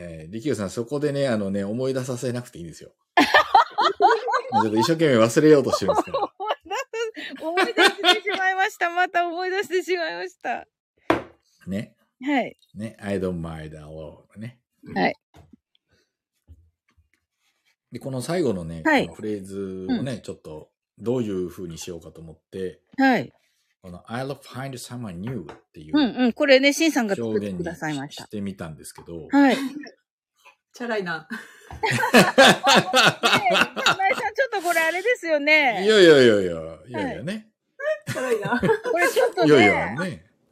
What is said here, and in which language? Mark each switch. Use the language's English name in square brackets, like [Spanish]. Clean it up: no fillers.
[Japanese] リキューさんそこでね、あのね、思い出させなくていいんですよちょっと一生懸命忘れようとしてますけど思い出してしまいました。また思い出してしまいましたね。はい [English] ね、 I don't mind a lot ね。 [Japanese] はい、でこの最後のね、はい、このフレーズをね、うん、ちょっとどういう風にしようかと思って、はい、この [English] I'll find someone new [Japanese] っていう、うんうん、これね、シンさんが作ってくださいました。してみたんですけど、はい、チャライな。ねえ、ちょっとこれあれですよね。いやね。チャライな。これちょっとね。いやね。